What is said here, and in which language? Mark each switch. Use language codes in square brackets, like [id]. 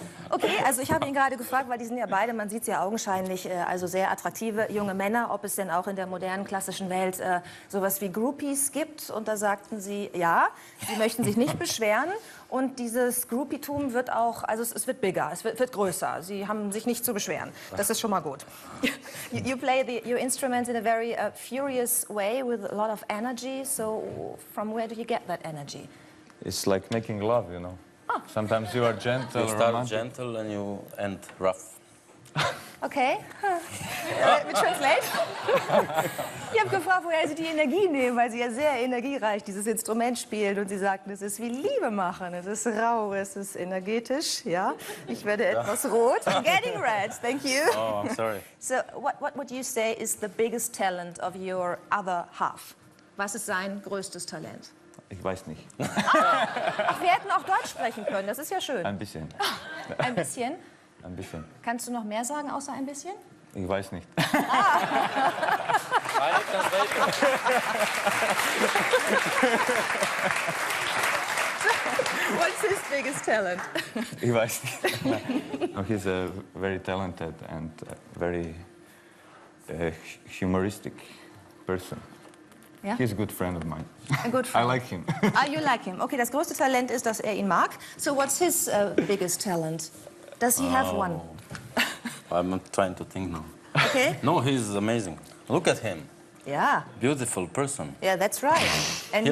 [de] Okay, also ich habe ihn gerade gefragt, weil die sind ja beide, man sieht sie ja augenscheinlich, also sehr attraktive junge Männer, ob es denn auch in der modernen klassischen Welt sowas wie Groupies gibt. Und da sagten sie, ja, sie möchten sich nicht beschweren. Und dieses Groupie-Tum wird auch, also es wird bigger, es wird größer. Sie haben sich nicht zu beschweren. Das ist schon mal gut. [en] You play your instrument in a very furious way with a lot of energy. So from where do you get that energy? It's like making love, you know. Oh. Sometimes you are gentle. You start gentle and you end rough. Okay. Let me translate. [de] Ich habe gefragt, woher sie die Energie nehmen, weil sie ja sehr energiereich dieses Instrument spielt. Und sie sagten, es ist wie Liebe machen. Es ist rau, es ist energetisch. Ja, ich werde etwas rot. [en] I'm getting red, thank you. Oh, I'm sorry. So, what would you say is the biggest talent of your other half? [de] Was ist sein größtes Talent? Ich weiß nicht. Ach, wir hätten auch Deutsch sprechen können, das ist ja schön. Ein bisschen. Ach, ein bisschen? Ein bisschen. Kannst du noch mehr sagen, außer ein bisschen? Ich weiß nicht. Ah. [en] What's his biggest talent? [de] Ich weiß nicht. [en] No, he's very talented and very humoristic person. Yeah. He's a good friend of mine. A good friend. I like him. Ah, you like him. [de] Okay, das größte Talent ist, dass ihn mag. [en] So what's his biggest talent? Does he have one? I'm trying to think now. Okay. No, he's amazing. Look at him. Yeah. Beautiful person. Yeah, that's right. And he